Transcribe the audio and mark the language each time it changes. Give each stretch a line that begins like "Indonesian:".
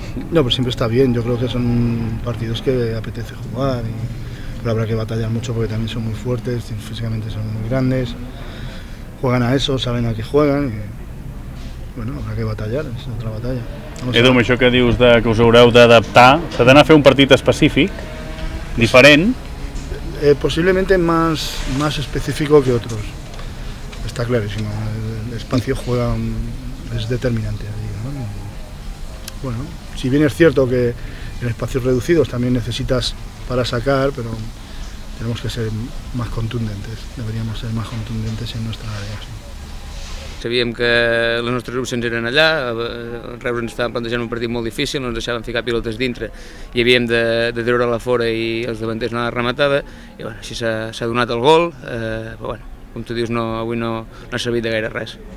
Spanish: No, pero siempre está bien, yo creo que son partidos que apetece jugar, pero habrá que batallar mucho porque también son muy fuertes, físicamente son muy grandes, juegan a eso, saben a qué juegan, y bueno, habrá que batallar, es otra batalla.
Catalan: Edu, amb això que dius de que us haureu d'adaptar, s'ha d'anar a fer un partit específic, diferent,
Spanish: Posiblemente más específico que otros, está clarísimo, el espacio juega, es determinante allí, ¿no? Y, bueno, si bien es cierto que en espacios reducidos también necesitas para sacar, pero tenemos que ser más contundentes, deberíamos ser más contundentes en nuestra área. Sí.
Catalan: Sabíem que les nostres opcions eren allà, el Reus ens estava plantejant un partit molt difícil, no ens deixaven ficar pilotes dintre i havíem de treure-la fora i els davanters anar a la rematada, i bueno, així s'ha donat el gol, però bueno, com tu dius, no, avui no ha servit de gaire res.